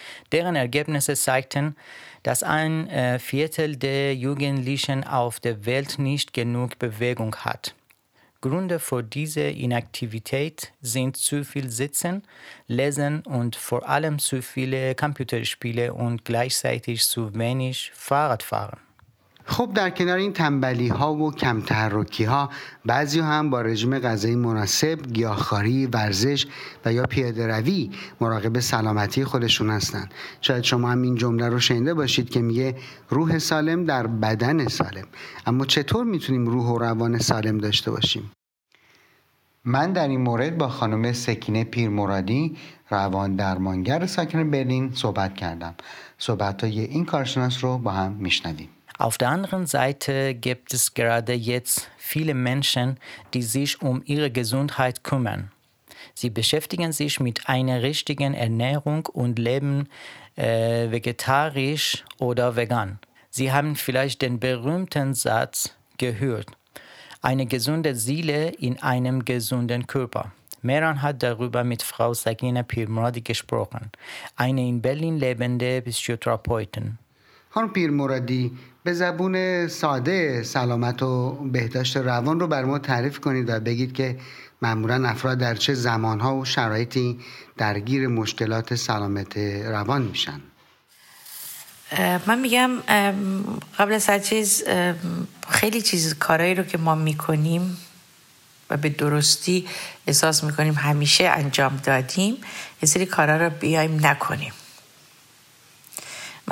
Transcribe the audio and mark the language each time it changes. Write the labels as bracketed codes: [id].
[de] Deren Ergebnisse zeigten, dass ein Viertel der Jugendlichen auf der Welt nicht genug Bewegung hat. Gründe für diese Inaktivität sind zu viel Sitzen, Lesen und vor allem zu viele Computerspiele und gleichzeitig zu wenig Fahrradfahren. [fa] خب در کنار این تنبلی ها و کم تحرکی ها، بعضی هم با رژیم غذایی مناسب، گیاهخواری، ورزش و یا پیاده روی مراقب سلامتی خودشون هستن. شاید شما هم این جمله رو شنیده باشید که میگه روح سالم در بدن سالم. اما چطور میتونیم روح و روان سالم داشته باشیم؟ من در این مورد با خانم سکینه پیرمرادی، روان درمانگر ساکن برلین صحبت کردم. صحبت های این کارشناس رو با هم میشنویم. [de] Auf der anderen Seite gibt es gerade jetzt viele Menschen, die sich um ihre Gesundheit kümmern. Sie beschäftigen sich mit einer richtigen Ernährung und leben vegetarisch oder vegan. Sie haben vielleicht den berühmten Satz gehört: Eine gesunde Seele in einem gesunden Körper. Meran hat darüber mit Frau Sakina Pirmradi gesprochen, eine in Berlin lebende Psychotherapeutin. [fa] خانم پیرمرادی، به زبون ساده سلامت و بهداشت روان رو بر ما تعریف کنید و بگید که معمولاً افراد در چه زمانها و شرایطی درگیر مشکلات سلامت روان میشن؟ من میگم قبل از هر چیز خیلی چیز کارهایی رو که ما میکنیم و به درستی احساس میکنیم همیشه انجام دادیم، یه سری کارها رو بیایم نکنیم. و